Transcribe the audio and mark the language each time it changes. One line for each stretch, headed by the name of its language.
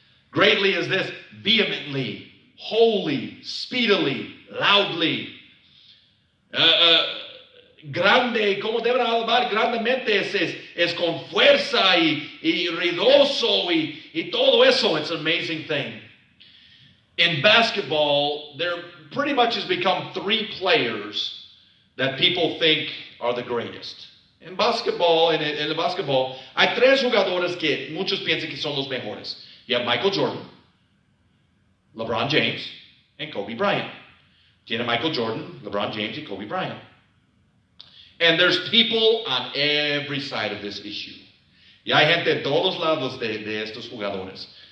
English: Greatly is this, vehemently, wholly, speedily, loudly.
Spanish: Grande, como debemos alabar grandemente, es con fuerza y ruidoso y todo eso.
English: It's an amazing thing. In basketball, there pretty much has become three players that people think are the greatest.
Spanish: In basketball, hay tres jugadores que muchos piensan que son los mejores.
English: You have Michael Jordan, LeBron James, and Kobe Bryant.
Spanish: Tiene Michael Jordan, LeBron James, and Kobe Bryant.
English: And there's people on every side of this issue.
Spanish: Y hay gente en todos lados de estos jugadores.